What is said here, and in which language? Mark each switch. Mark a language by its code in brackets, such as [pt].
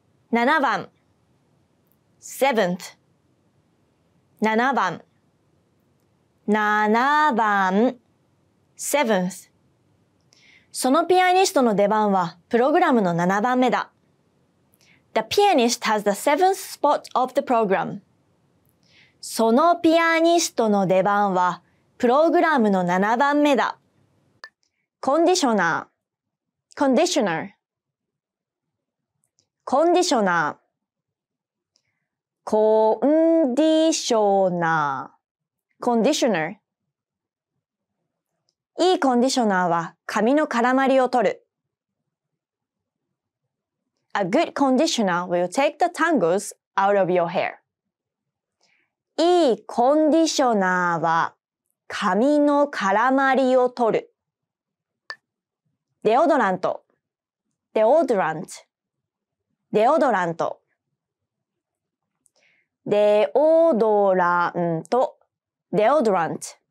[ja] 7番 7番7番 7th。そのピアニストの出番はプログラムの7番目だ。 [en] The pianist has the 7th spot of the program. [ja] そのピアニストの出番はプログラムの7番目だ。コンディショナー Conditioner コンディショナーコンディショナーコンディショナーいいコンディショナーは髪の絡まりを取る。 [en] A good conditioner will take the tangles out of your hair. [ja] いいコンディショナーは髪の絡まりを取る。デオドラント。デオドラント。デオドラント。デオドラント。デオドラント。